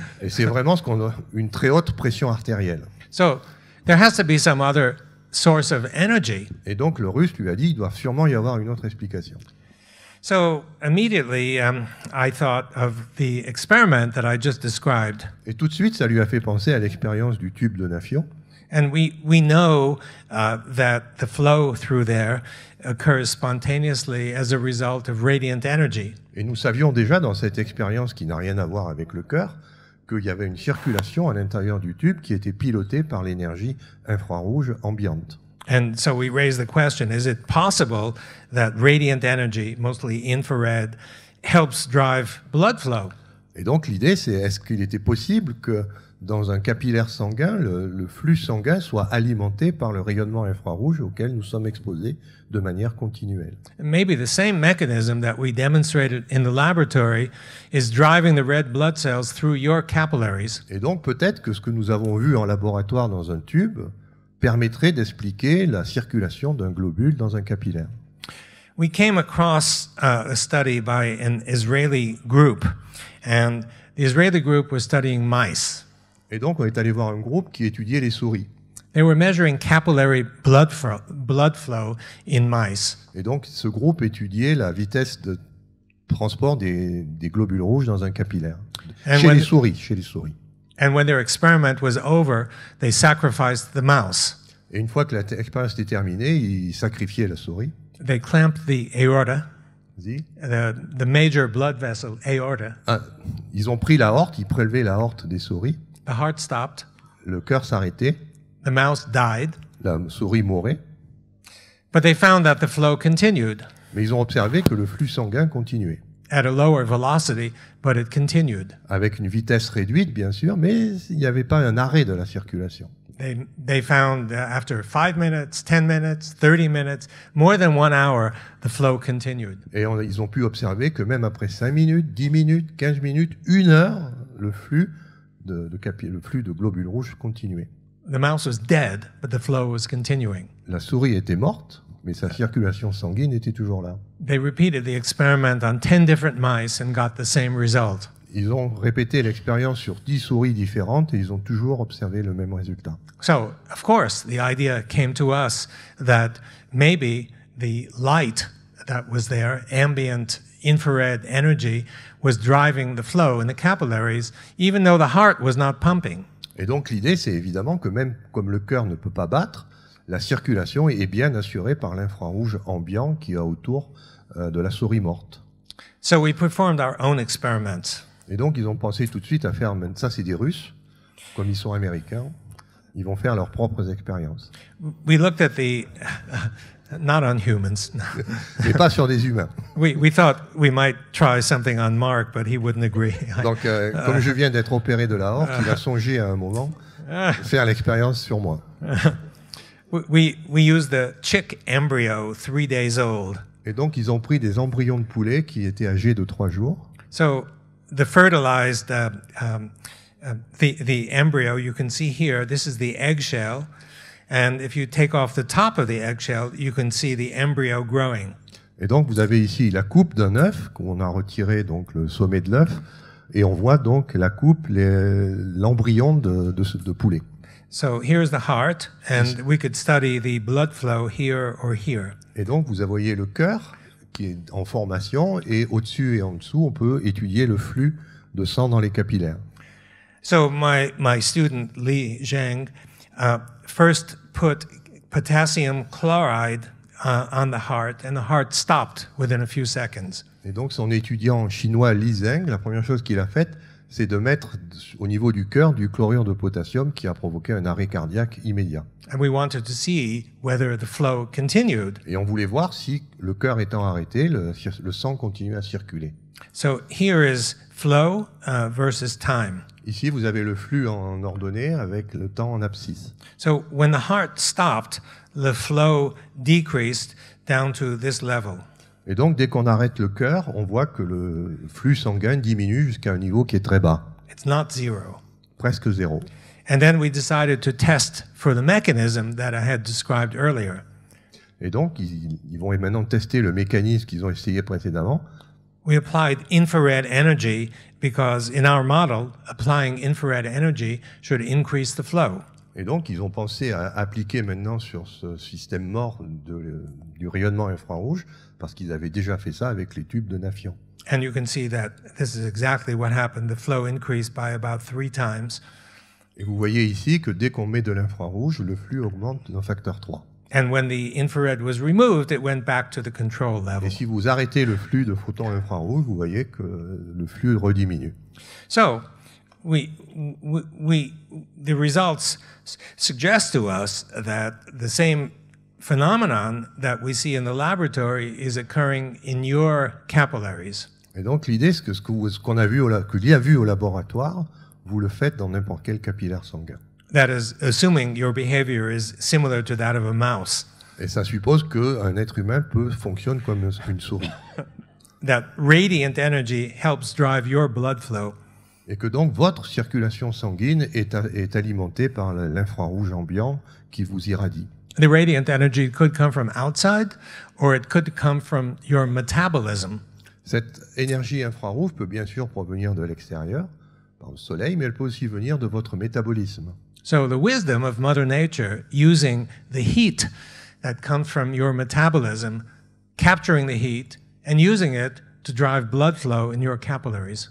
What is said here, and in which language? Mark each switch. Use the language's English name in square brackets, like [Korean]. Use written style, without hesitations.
[French] Et c'est vraiment ce qu'on a, une très haute pression artérielle. [English] So there has to be some other source of energy. [French] Et donc le Russe lui a dit, il doit sûrement y avoir une autre explication. [English] So immediately I thought of the experiment that I just described. [French] Et tout de suite ça lui a fait penser à l'expérience du tube de Nafion. [English] And we know that the flow through there occurs spontaneously as a result of radiant energy. [French] Et nous savions déjà dans cette expérience qui n'a rien à voir avec le cœur qu'il y avait une circulation à l'intérieur du tube qui était pilotée par l'énergie infrarouge ambiante. [English] And so we raise the question, is it possible that radiant energy, mostly infrared, helps drive blood flow? [French] Et donc l'idée c'est, est-ce qu'il était possible que dans un capillaire sanguin, le flux sanguin soit alimenté par le rayonnement infrarouge auquel nous sommes exposés de manière continuelle. [English] Maybe the same mechanism that we demonstrated in the laboratory is driving the red blood cells through your capillaries. [French] Et donc peut-être que ce que nous avons vu en laboratoire dans un tube permettrait d'expliquer la circulation d'un globule dans un capillaire. [English] We came across a study by an Israeli group, and the Israeli group was studying mice. [French] Et donc, on est allé voir un groupe qui étudiait les souris. [English] They were measuring capillary blood flow in mice. [French] Et donc, ce groupe étudiait la vitesse de transport des globules rouges dans un capillaire. Chez les souris. [English] And when their experiment was over, they sacrificed the mouse. [French] Et une fois que l'expérience était terminée, ils sacrifiaient la souris. [English] They clamped the aorta. The major blood vessel, aorta. [French] Ils ont pris l'aorte, ils prélevaient l'aorte des souris. [English] The heart stopped. [French] Le cœur s'arrêtait. [English] The mouse died. [French] La souris mourait. [English] But they found that the flow continued. [French] Mais ils ont observé que le flux sanguin continuait. [English] At a lower velocity, but it continued. [French] Avec une vitesse réduite, bien sûr, mais il n'y avait pas un arrêt de la circulation. [English] They found after 5 minutes, 10 minutes, 30 minutes, more than 1 hour, the flow continued. [French] Et ils ont pu observer que même après 5 minutes, 10 minutes, 15 minutes, 1 heure, le flux de globules rouges continuait. [English] The mouse was dead, but the flow was continuing. [French] La souris était morte, mais sa circulation sanguine était toujours là. [English] They repeated the experiment on 10 different mice and got the same result. [French] Ils ont répété l'expérience sur 10 souris différentes et ils ont toujours observé le même résultat. [English] So, of course, the idea came to us that maybe the light that was there, ambient infrared energy, was driving the flow in the capillaries, even though the heart was not pumping. [French] Et donc l'idée, c'est évidemment que même comme le cœur ne peut pas battre, la circulation est bien assurée par l'infrarouge ambiant qu'il y a autour de la souris morte. [English] So we performed our own experiments. [French] Et donc ils ont pensé tout de suite à faire, ça c'est des Russes, comme ils sont américains, ils vont faire leurs propres expériences. [English] We looked at the... Not on humans. [French] Mais pas sur des humains. [English] We thought we might try something on Mark, but he wouldn't agree. [French] Donc, comme je viens d'être opéré de l'aorte, il a songé à un moment faire l'expérience sur moi. [English] We used the chick embryo, 3 days old. [French] Et donc, ils ont pris des embryons de poulet qui étaient âgés de 3 jours. [English] So, the fertilized, the embryo, you can see here, this is the eggshell. And if you take off the top of the eggshell, you can see the embryo growing. [French] Et donc vous avez ici la coupe d'un œuf qu'on a retiré donc le sommet de l'œuf et on voit donc la coupe l'embryon de poulet. [English] So here's the heart and we could study the blood flow here or here. [French] Et donc vous voyez le cœur qui est en formation et au-dessus et en dessous on peut étudier le flux de sang dans les capillaires. [English] So my student Li Zheng first put potassium chloride on the heart and the heart stopped within a few seconds. [French] Et donc son étudiant chinois Li Zheng, la première chose qu'il a faite, c'est de mettre au niveau du cœur du chlorure de potassium qui a provoqué un arrêt cardiaque immédiat. [English] And we wanted to see whether the flow continued. [French] Et on voulait voir si le cœur étant arrêté, le sang continuait à circuler. [English] So here is flow versus time. [French] Ici, vous avez le flux en ordonnée avec le temps en abscisse. [English] So when the heart stopped, the flow decreased down to this level. [French] Et donc, dès qu'on arrête le cœur, on voit que le flux sanguin diminue jusqu'à un niveau qui est très bas. [English] It's not zero. [French] Presque zéro. [English] And then we decided to test for the mechanism that I had described earlier. [French] Et donc, ils vont maintenant tester le mécanisme qu'ils ont essayé précédemment. [English] We applied infrared energy because in our model, applying infrared energy should increase the flow. [French] Et donc, ils ont pensé à appliquer maintenant sur ce système mort du rayonnement infrarouge parce qu'ils avaient déjà fait ça avec les tubes de Nafion. [English] And you can see that this is exactly what happened. The flow increased by about 3 times. [French] Et vous voyez ici que dès qu'on met de l'infrarouge, le flux augmente d'un facteur 3. [English] And when the infrared was removed, it went back to the control level. [French] Et si vous arrêtez le flux de photons infrarouges, vous voyez que le flux rediminue. [English] So, the results suggest to us that the same phenomenon that we see in the laboratory is occurring in your capillaries. [French] Et donc l'idée, c'est que ce qu'on a vu au laboratoire, vous le faites dans n'importe quel capillaire sanguin. [English] That is assuming your behavior is similar to that of a mouse. [French] Et ça suppose que un être humain peut fonctionner comme une souris. [English] That radiant energy helps drive your blood flow. [French] Et que donc votre circulation sanguine est alimentée par l'infrarouge ambiant qui vous irradie. [English] The radiant energy could come from outside or it could come from your metabolism. [French] Cette énergie infrarouge peut bien sûr provenir de l'extérieur, par le soleil, mais elle peut aussi venir de votre métabolisme. [English] So the wisdom of Mother Nature using the heat that comes from your metabolism, capturing the heat and using it to drive blood flow in your capillaries.